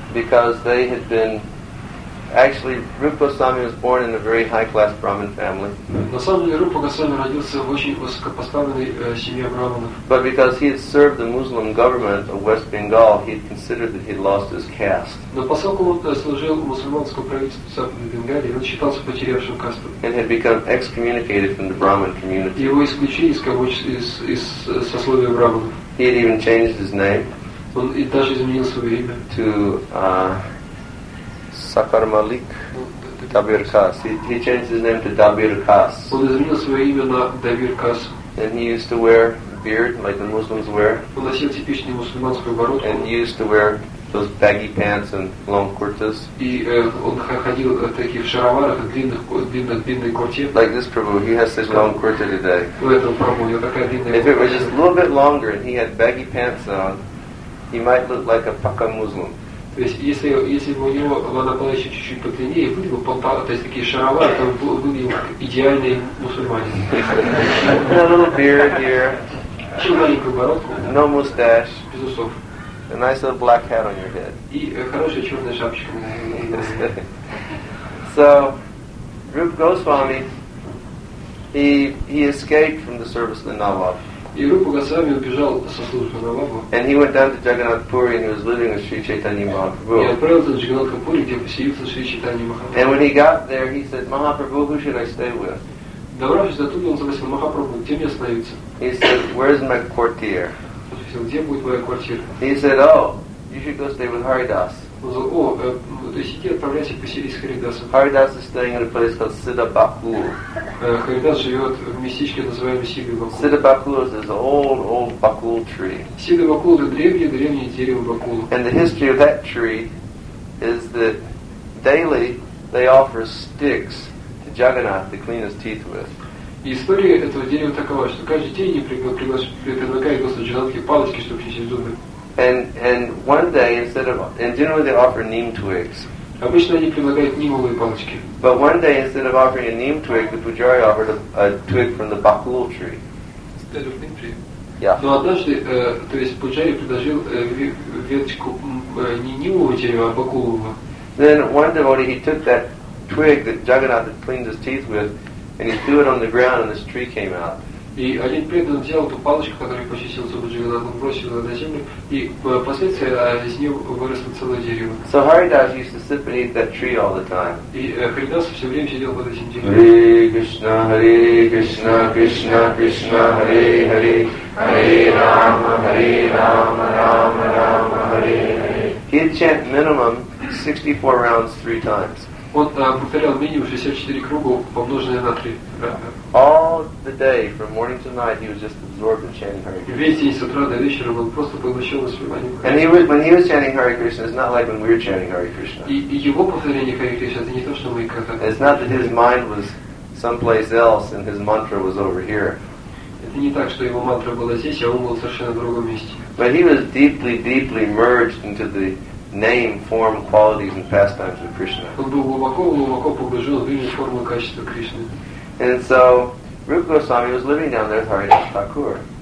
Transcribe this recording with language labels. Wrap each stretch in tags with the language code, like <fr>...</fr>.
<en>Because they had been actually, Rupa Goswami was born in a very high-class Brahmin family.</en> <ru>На самом деле, Рупа Госвами родился в очень высокопоставленной семье браманов.</ru> <en>But because he had served the Muslim government of West Bengal, he considered that he lost his caste.</en> <ru>Но поскольку он служил мусульманскому правительству в Западной Бенгалии, он считался потерявшим касту.</ru> <en>And had become excommunicated from the Brahmin community.</en> <ru>Его исключили из сословия браманов.</ru> <en>He had even changed his name.</en> <ru>Он и даже изменил свое имя.</ru> <en>To Sakar Malik Dabir Khas. He changed his name to Dabir Khas.</en> <ru>Он изменил свое имя на Дабир Кас.</ru> <en>And he used to wear beard like the Muslims wear.</en> <ru>Он носил типичную мусульманскую бородку.</ru> <en>And he used to wear those baggy pants and long kurtas.</en> <ru>И он ходил в таких шароварах, длинной курте.</ru> <en>Like this Prabhu, he has such long kurta today.</en> <ru>У этого Прабху, у него такая длинная</ru> <en>курта. If it was just a little bit longer and he had baggy pants on, he might look like a Pakka Muslim.</en> <ru>То есть если бы у него она была еще чуть-чуть подлиннее, были бы полтора, то есть такие шаровары, то он был бы идеальный мусульманин.</ru> <en>A little beard here.</en> <ru>Чуть маленькую бородку.</ru> <en>No mustache.</en> <ru>Без усов.</ru> <en>a nice little black hat on your head.</en> <ru>И хорошая черная шапочка на голове.</ru> <en>So, Rupa Goswami, he escaped from the service of the Nawab.</en> <ru>И Рупа Госвами убежал со службы Навабу.</ru> <en>And he went down to Jagannath Puri and he was living with Sri Chaitanya Mahaprabhu.</en> <ru>И отправился в Джагнатха Пури, где поселился Шри Чайтанья Махапрабху.</ru> <en>And when he got there, he said, Mahaprabhu, who should I stay with?</en> <ru>Добравшись до туда, он спросил Махапрабху, где мне остановиться?</ru> <en>He said, where's my quartier?</en> <ru>Где будет моя квартира?</ru> <en>He said, oh, you should go stay with Haridas.</en> <ru>Он сказал, о, то есть иди отправляйся поселись с Харидасом.</ru> <en>Haridas is staying in a place called Siddhabakul.</en> <ru>Харидас живет в местечке, называемом Сиддхабакул.</ru> <en>Siddhabakul is this old, old Bakul tree.</en> <ru>Сиддхабакул — это древнее дерево Бакул.</ru> <en>And the history of that tree is that daily they offer sticks to Jagannath to clean his teeth with.</en> <ru>История этого дерева такова, что каждый день предлагает просто Джаганнатхе палочки, чтобы чистить зубы.</ru> <en>And one day and generally they offer neem twigs.</en> <ru>Обычно они предлагают неемовые палочки.</ru> <en>But one day instead of offering a neem twig, the pujari offered a twig from the bakul tree. Instead of neem tree. Yeah.</en> <ru>Но однажды, то есть пуджари предложил веточку не неемового дерева, а бакулового.</ru> <en>Then one devotee he took that twig that Jagannath had cleaned his teeth with, and he threw it on the ground, and this tree came out.</en> <ru>И один преданный взял эту палочку, которую почистил зубы Джаганнатху, он бросил ее на землю, и впоследствии из нее выросло целое дерево.</ru> <en>So Haridas used to sit beneath that tree all the time.</en> <ru>И Харидас все время сидел под этим деревом.</ru> <sa>Hare Krishna, Hare Krishna, Krishna Krishna, Hare Hare, Hare Rama, Hare Rama, Rama Rama, Hare Hare.</sa> <en>He'd chant minimum 64 rounds three times.</en> <ru>Он повторял минимум 64 круга, помноженные на 3.</ru> <en>All the day, from morning to night, he was just absorbed in chanting Hare Krishna.</en> <ru>Весь день с утра до вечера он просто поглощен вниманием.</ru> <en>And he was, when he was chanting Hare Krishna, it's not like when we're chanting Hare Krishna.</en> <ru>И его повторение Hare Krishna — это не то, что мы как-то.</ru> <en>It's not that his mind was someplace else and his mantra was over here.</en> <ru>Это не так, что его мантра была здесь, а он был совершенно в другом месте.</ru> <en>But he was deeply, deeply merged into the name, form, qualities, and pastimes of Krishna.</en> <ru>Он был глубоко погружен в имя, форму и качество Кришны.</ru> <en>And so Rupa Goswami was living down there with Haridas Thakur.</en>